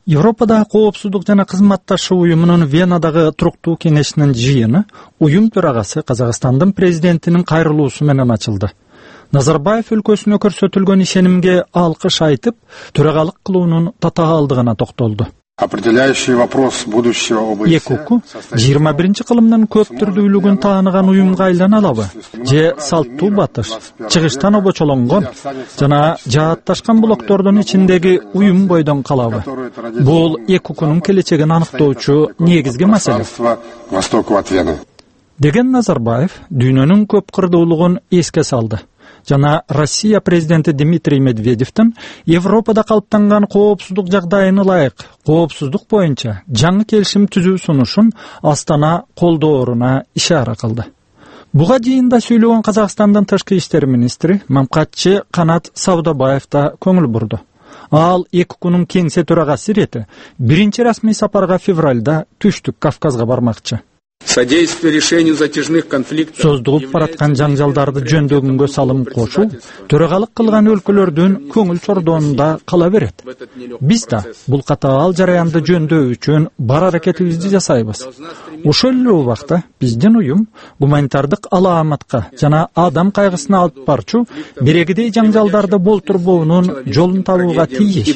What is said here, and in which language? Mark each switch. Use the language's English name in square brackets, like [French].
[Kyrgyz] Европада коопсуздук жана кызматташуу уюмунун Венадагы туруктуу кеңешинин жыйыны уюм төрагасы Казакстандын президентинин кайрылуусу менен ачылды. Назарбаев өлкөсүнө көрсөтүлгөн ишенимге алкыш айтып, төрагалык кылуунун татаалдыгына токтолду. [Russian] Определяющий вопрос будущего ОБСЕ. [Kyrgyz] ЕКУКУ 21-чи кылымдын көп түрдүүлүгүн тааныган уюмга айлана алабы? Же салттуу батыш, чыгыштан обочолонгон жана жааташкан блоктордун ичиндеги уюм бойдон калабы? Бул ЕКУКУнун келечегин аныктоочу негизги маселе. [Russian] Востоку от Вены. [Kyrgyz] Деген Назарбаев дүйнөнүн көп кырдуулугун эске салды. Жана Россия президенти Дмитрий Медведевтин Европада калыптанган коопсуздук жагдайына ылайык коопсуздук боюнча жаңы келишим түзүү сунушун Астана колдооруна ишара кылды. Буга жыйында сүйлөгөн Казакстандын тышкы иштер министри мамкатчы Канат Саудабаев да көңүл бурду. Ал ЕКУКУнун кеңсе төрагасы ирети биринчи расмий сапарга февралда Түштүк Кавказга бармакчы. [Russian] Содействие решению затяжных конфликтов. [Kyrgyz] Создугуп бараткан жаңжалдарды жөндөгүнгө салым кошуу төрагалык кылган өлкөлөрдүн көңүл сордоонунда кала берет. Биз да бул катаал жараянды жөндөө үчүн бар аракетибизди жасайбыз. Ошол эле убакта биздин уюм гуманитардык алааматка жана адам кайгысына алып барчу бирегидей жаңжалдарды болтурбоонун жолун табууга тийиш.